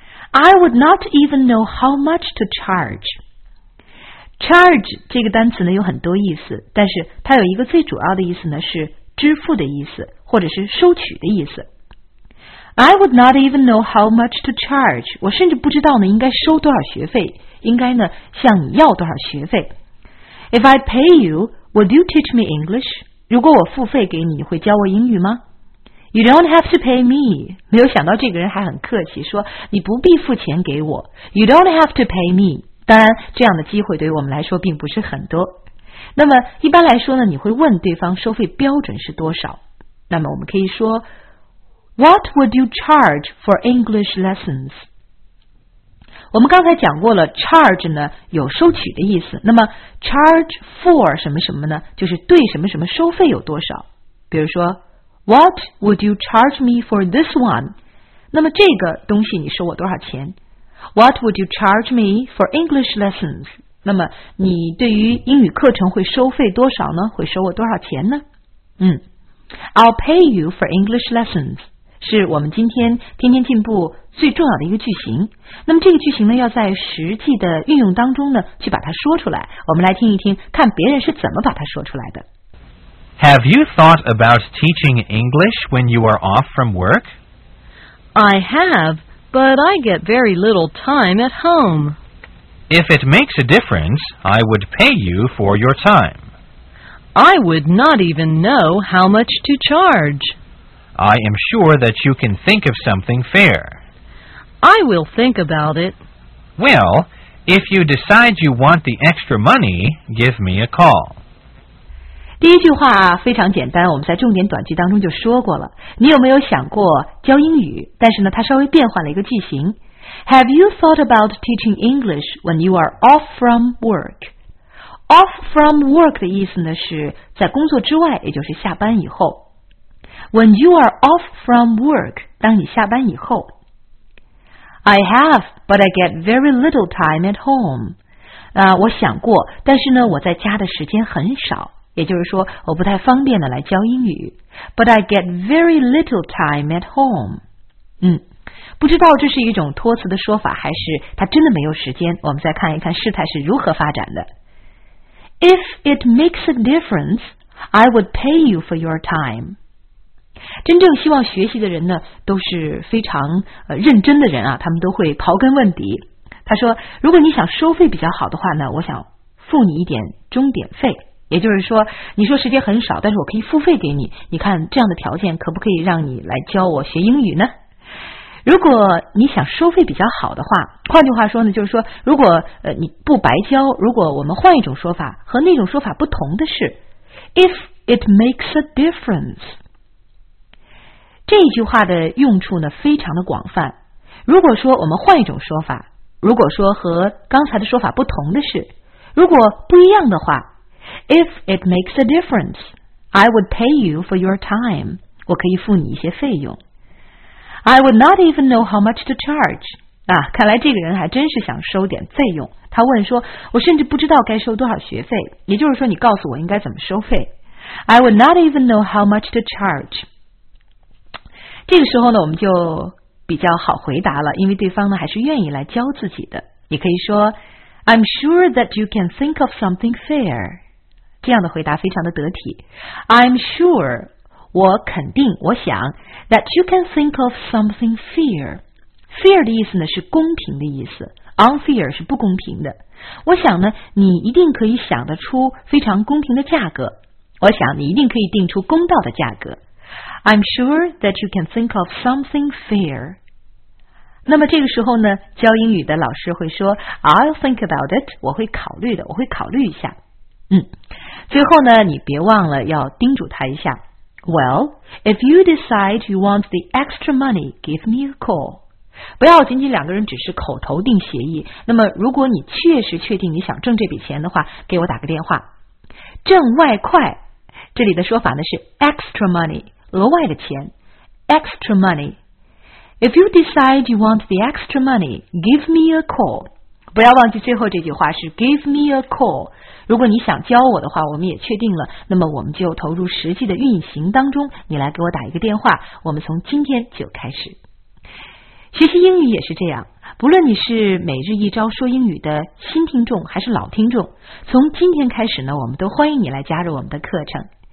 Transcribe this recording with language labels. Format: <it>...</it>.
<en>I would not even know how much to charge。</en> <zh>charge 这个单词呢有很多意思，但是它有一个最主要的意思呢是支付的意思，或者是收取的意思。</zh> <en>I would not even know how much to charge，</en> <zh>我甚至不知道呢应该收多少学费，应该呢向你要多少学费。</zh> <en>If I pay you, would you teach me English?</en> <zh>如果我付费给你，会教我英语吗？</zh> <en>You don't have to pay me.</en> <zh>没有想到这个人还很客气，说你不必付钱给我。</zh> <en>You don't have to pay me.</en> <zh>当然，这样的机会对于我们来说并不是很多。那么一般来说呢，你会问对方收费标准是多少？那么我们可以说 ，</zh> <en>What would you charge for English lessons?</en> <zh>我们刚才讲过了 charge 呢有收取的意思，那么 charge for 什么什么呢，就是对什么什么收费有多少。比如说</zh> <en>What would you charge me for this one?</en> <zh>那么这个东西你收我多少钱？</zh> <en>What would you charge me for English lessons?</en> <zh>那么你对于英语课程会收费多少呢？会收我多少钱呢？</zh> <en>I'll pay you for English lessons</en> <zh>是我们今天天天进步最重要的一个句型。那么这个句型呢要在实际的运用当中呢去把它说出来，我们来听一听看别人是怎么把它说出来的。</zh> <en>Have you thought about teaching English when you are off from work? I have, but I get very little time at home. If it makes a difference, I would pay you for your time. I would not even know how much to charge I am sure that you can think of something fair. I will think about it. Well, if you decide you want the extra money, give me a call.</en> <zh>第一句话非常简单，我们在重点短句当中就说过了。你有没有想过教英语？但是呢，它稍微变换了一个句型。</zh> <en>Have you thought about teaching English when you are off from work? Off from work</en> <zh>的意思呢，是在工作之外，也就是下班以后。</zh> <en>When you are off from work,</en> <zh>当你下班以后。</zh> <en>I have, but I get very little time at home.</en> <zh>我想过，但是呢，我在家的时间很少，也就是说，我不太方便的来教英语。</zh> <en>But I get very little time at home.</en> <zh>不知道这是一种托词的说法，还是他真的没有时间，我们再看一看事态是如何发展的。</zh> <en>If it makes a difference, I would pay you for your time.</en> <zh>真正希望学习的人呢都是非常认真的人啊，他们都会刨根问底。他说如果你想收费比较好的话呢，我想付你一点钟点费，也就是说你说时间很少，但是我可以付费给你，你看这样的条件可不可以让你来教我学英语呢？如果你想收费比较好的话，换句话说呢，就是说如果你不白教，如果我们换一种说法，和那种说法不同的是</zh> <en>If it makes a difference，</en> <zh>这一句话的用处呢非常的广泛。如果说我们换一种说法，如果说和刚才的说法不同的是，如果不一样的话，</zh> <en>If it makes a difference, I would pay you for your time.</en> <zh>我可以付你一些费用。</zh> <en>I would not even know how much to charge.</en> <zh>看来这个人还真是想收点费用。他问说，我甚至不知道该收多少学费，也就是说你告诉我应该怎么收费。</zh> <en>I would not even know how much to charge.</en> <zh>这个时候呢我们就比较好回答了，因为对方呢还是愿意来教自己的。你可以说</zh> <en>I'm sure that you can think of something fair，</en> <zh>这样的回答非常的得体。</zh> <en>I'm sure，</en> <zh>我肯定，我想</zh> <en>that you can think of something fair。</en> <zh>fair 的意思呢是公平的意思， unfair 是不公平的。我想呢你一定可以想得出非常公平的价格，我想你一定可以定出公道的价格。</zh> <en>I'm sure that you can think of something fair.</en> <zh>那么这个时候呢，教英语的老师会说</zh> <en>I'll think about it.</en> <zh>我会考虑的，我会考虑一下。最后呢，你别忘了要叮嘱他一下。</zh> <en>Well, if you decide you want the extra money, give me a call.</en> <zh>不要仅仅两个人只是口头定协议。那么如果你确实确定你想挣这笔钱的话，给我打个电话。挣外快，这里的说法呢是 extra money。额外的钱</zh> <en>extra money. If you decide you want the extra money, give me a call.</en> <zh>不要忘记最后这句话是</zh> <en>give me a call。</en> <zh>如果你想教我的话，我们也确定了，那么我们就投入实际的运行当中，你来给我打一个电话，我们从今天就开始。学习英语也是这样，不论你是每日一招说英语的新听众还是老听众，从今天开始呢，我们都欢迎你来加入我们的课程。</zh>